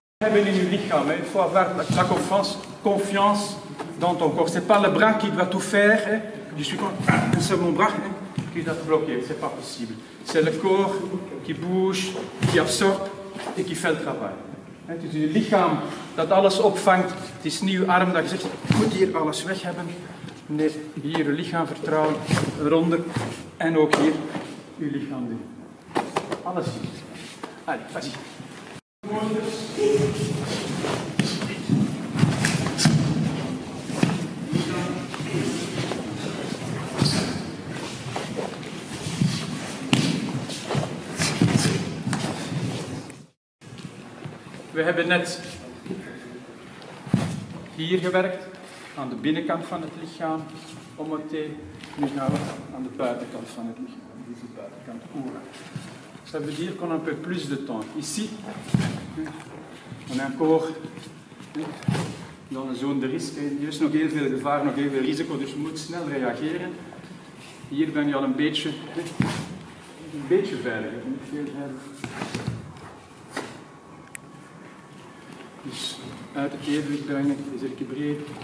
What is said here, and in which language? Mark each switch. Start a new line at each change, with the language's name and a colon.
French: Il faut avoir la confiance dans ton corps. Ce n'est pas le bras qui doit tout faire. Hein. Je suis content. C'est mon bras hein, qui doit tout bloquer. Ce n'est pas possible. C'est le corps qui bouge, qui absorbe et qui fait le travail.
Dutch: Hein, het is je lichaam dat alles opvangt. Het is niet je arm dat je zegt, ik moet hier alles weg hebben. Nee, hier je lichaam vertrouwen, eronder. En ook hier je lichaam doen. Alles hier.
French: Allez, vas-y.
Dutch: We hebben net hier gewerkt, aan de binnenkant van het lichaam, om het te. Nu gaan we aan de buitenkant van het lichaam, deze buitenkant, oura.
French: Ça veut dire qu'on a un peu plus de temps. Ici, on a encore dans une zone de risque. Il y a
Dutch: nog heel veel gevaar, nog heel veel risico, dus je moet snel reageren. Hier ben je al een beetje veiliger, niet veel veiliger. Dus uit het evenwicht brengen, is er breed.